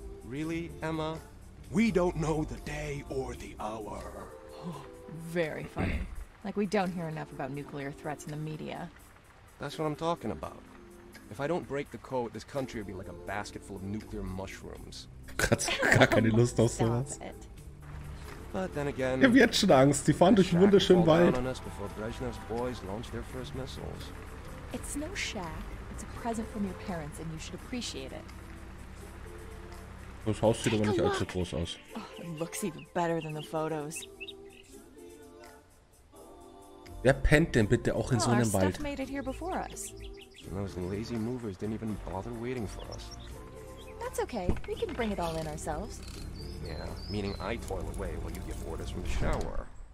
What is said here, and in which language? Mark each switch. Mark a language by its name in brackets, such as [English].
[English] Really, Emma? We don't know the day or the hour. Oh, very funny. Like we don't hear enough about nuclear threats in the media. That's what I'm talking about. If I don't break the code, this country will be like a basket full of nuclear mushrooms. [German] Gar keine Lust auf sowas. [English] But then again, [German] wir haben jetzt schon Angst. Die fahren durch einen wunderschönen Wald. [English] On us before Brezhnev's boys launch their first missiles. It's no shack. It's a present from your parents and you should appreciate it. [German] Das Haus sieht aber nicht allzu groß aus. [English] Oh, it looks even better than the photos. [German] Wer pennt denn bitte auch in so einem Wald? [English] Stuff made it here before us. And those lazy movers didn't even bother waiting for us. That's okay. We can bring it all in ourselves. Yeah, meaning I toil away while you give orders from the shower.